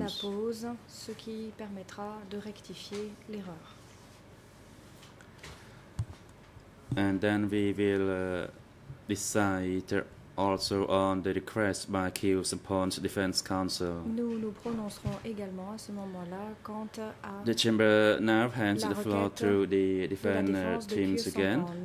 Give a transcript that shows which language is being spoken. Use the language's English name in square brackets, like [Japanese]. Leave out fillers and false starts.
[French] La pause, ce qui permettra de rectifier l'erreur. [English] And then we will decide also on the request by Kyiv's Pawn Defense Council. [French] Nous prononcerons également à ce moment-là quant à [English] the chamber now hands the floor to the defense teams again.